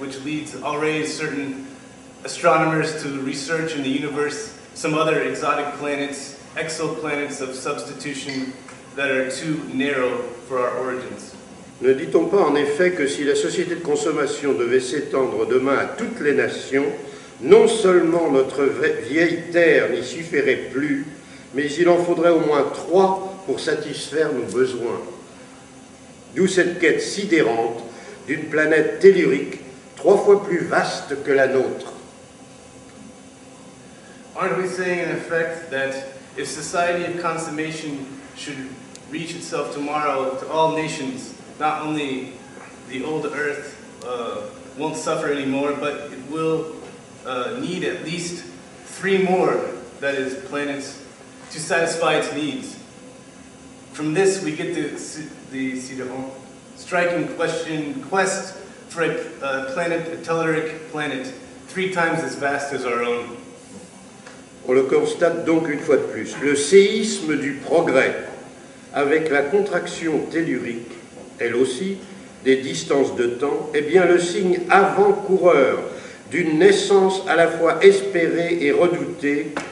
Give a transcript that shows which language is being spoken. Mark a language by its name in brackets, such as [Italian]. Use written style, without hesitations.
[English] which leads already certain astronomers to research in the universe some other exotic planets, exoplanets of substitution that are too narrow for our origins. [French] Ne dit-on pas en effet que si la société de consommation devait s'étendre demain à toutes les nations, non seulement notre vieille terre n'y suffirait plus, mais il en faudrait au moins trois pour satisfaire nos besoins. D'où cette quête sidérante d'une planète tellurique trois fois plus vaste que la nôtre. [English] Aren't we saying in effect that if society of consummation should reach itself tomorrow to all nations, not only the old Earth won't suffer anymore, but it will need at least three more, that is, planets, to satisfy its needs. From this, we get the Sidéron, striking question, quest for a planet, a telluric planet, three times as vast as our own. [French] On le constate donc une fois de plus, le séisme du progrès, avec la contraction tellurique, elle aussi, des distances de temps, est bien le signe avant-coureur d'une naissance à la fois espérée et redoutée,